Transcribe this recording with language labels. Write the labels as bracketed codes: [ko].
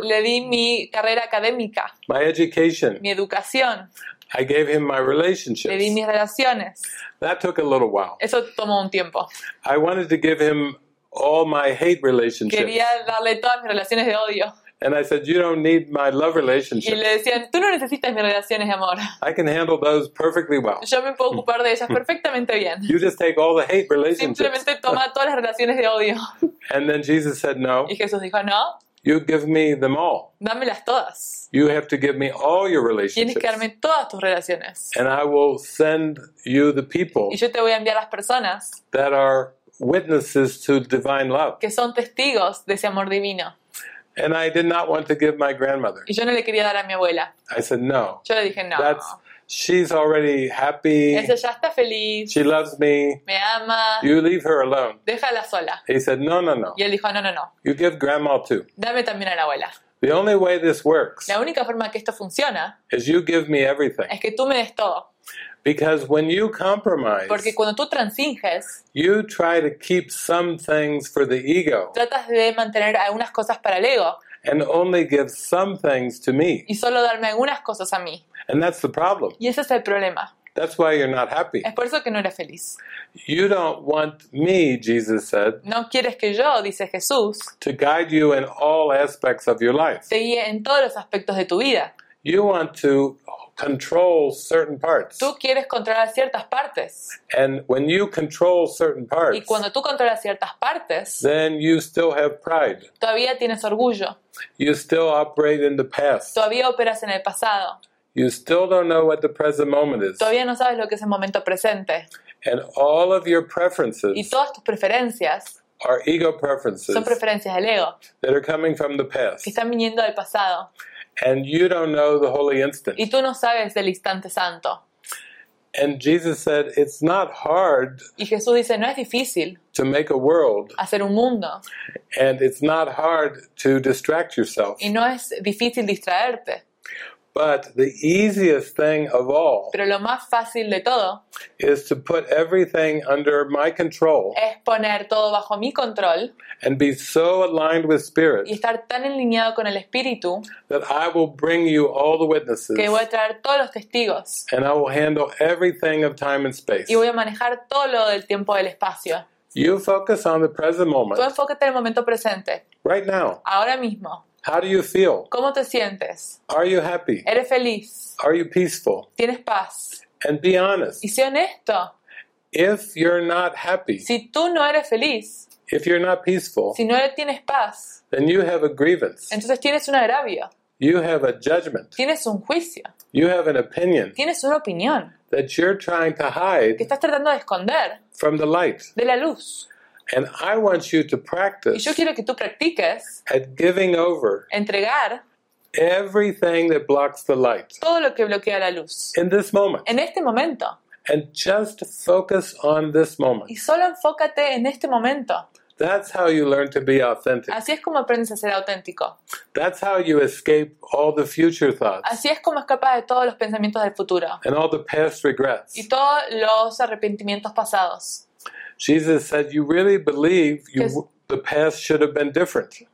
[es] Le di mi carrera académica. [en] My education. [es] Mi educación. [en] I gave him my relationships. [es] Le di mis relaciones. [en] That took a little while. [es] Eso tomó un tiempo. [en] I wanted to give him all my hate relationships. [es] Quería darle todas mis relaciones de odio. [en] And I said, "You don't need my love relationship." [es] Y le decían, "Tú no necesitas mis relaciones de amor." [en] I can handle those perfectly well. [es] Yo me puedo ocupar de ellas perfectamente bien. [en] You just take all the hate relationships. [es] Simplemente toma todas las relaciones de odio. [en] And then Jesus said, "No." [es] Y Jesús dijo, "No." [en] You give me them all. [es] Dámelas todas. [en] You have to give me all your relationships. [es] Tienes que darme todas tus relaciones. [en] And I will send you the people. [es] Y yo te voy a enviar las personas [en] that are witnesses to divine love. [es] Que son testigos de ese amor divino. [en] And I did not want to give my grandmother. [es] Y yo no le quería dar a mi abuela. [en] I said no. [es] Yo le dije no. [en] She's already happy. [es] Esa ya está feliz. [en] She loves me. [es] Me ama. [en] You leave her alone. [es] Déjala sola. [en] He said no, no, no. [es] Y él dijo no, no, no. [en] You give grandma too. [es] Dame también a la abuela. [en] The only way this works. [es] La única forma que esto funciona. [en] Is you give me everything. [es] Es que tú me des todo. [en] Because when you compromise, [es] porque cuando tú transiges, [en] you try to keep some things for the ego. [es] Tratas de mantener algunas cosas para el ego. [en] And only give some things to me. [es] Y solo darme algunas cosas a mí. [en] And that's the problem. [es] Y ese es el problema. [en] That's why you're not happy. [es] Es por eso que no eres feliz. [en] You don't want me, Jesus said. [es] No quieres que yo, dice Jesús, [en] to guide you in all aspects of your life. [es] Te guíe en todos los aspectos de tu vida. [en] You want to control certain parts. [es] Tú quieres controlar ciertas partes. [en] And when you control certain parts, [es] y cuando tú controlas ciertas partes, [en] then you still have pride. [es] Todavía tienes orgullo. [en] You still operate in the past. [es] Todavía operas en el pasado. [en] You still don't know what the present moment is. [es] Todavía no sabes lo que es el momento presente. [en] And all of your preferences, [es] y todas tus preferencias, [en] are ego preferences, [es] son preferencias del ego, [en] that are coming from the past, [es] que están viniendo del pasado. [en] And you don't know the holy instant. [es] Y tú no sabes del instante santo. [en] And Jesus said, it's not hard. [es] Y Jesús dice, no es difícil. [en] To make a world. [es] Hacer un mundo. [en] And it's not hard to distract yourself. [es] Y no es difícil distraerte. [en] But the easiest thing of all. [es] Pero lo más fácil de todo. [en] Is to put everything under my control. [es] Es poner todo bajo mi control. [en] And be so aligned with spirit. [es] Y estar tan alineado con el espíritu. [en] That I will bring you all the witnesses. [es] Que voy a traer todos los testigos. [en] And I will handle everything of time and space. [es] Y voy a manejar todo lo del tiempo del espacio. [en] You focus on the present moment. [es] Tú enfócate en el momento presente. [en] Right now. [es] Ahora mismo. [en] How do you feel? [es] ¿Cómo te sientes? [en] Are you happy? [es] ¿Eres feliz? [en] Are you peaceful? [es] ¿Tienes paz? [en] And be honest. [es] Y sé honesto. [en] If you're not happy. [es] Si tú no eres feliz. [en] If you're not peaceful. [es] Si no tienes paz. [en] Then you have a grievance. [es] Entonces tienes un agravio. [en] You have a judgment. [es] Tienes un juicio. [en] You have an opinion. [es] Tienes una opinión. [en] That you're trying to hide. [es] Que estás tratando de esconder. [en] From the light. [es] De la luz. [en] And I want you to practice. [es] Y yo quiero que tú practiques. [en] At giving over. [es] Entregar. [en] Everything that blocks the light. [es] Todo lo que bloquea la luz. [en] In this moment. [es] En este momento. [en] And just focus on this moment. [es] Y solo enfócate en este momento. [en] That's how you learn to be authentic. [es] Así es como aprendes a ser auténtico. [en] That's how you escape all the future thoughts. [es] Así es como escapas de todos los pensamientos del futuro. [en] And all the past regrets. [es] Y todos los arrepentimientos pasados. [en] Jesus said, "You really believe you, the past should have been different."